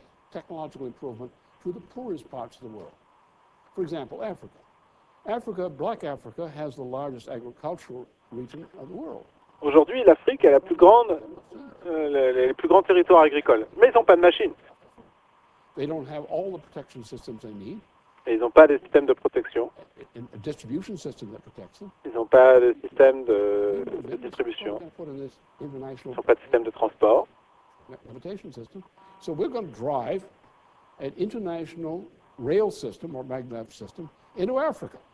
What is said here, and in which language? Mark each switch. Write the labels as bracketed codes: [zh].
[en] Technological improvement to the poorest parts of the world. For example, Africa. Africa, Black Africa, has the largest agricultural region of the world. [fr] Aujourd'hui, l'Afrique a la plus grande, les plus grands territoires agricoles, mais ils n'ont pas de machines. [en] They don't have all the protection systems they need. [fr] Et ils n'ont pas des systèmes de protection. [en] A distribution system that protects them. [fr] Ils n'ont pas de système de distribution. Ils n'ont pas de système de transport. [en] Transportation system. So we're going to drive an international rail system or maglev system into Africa.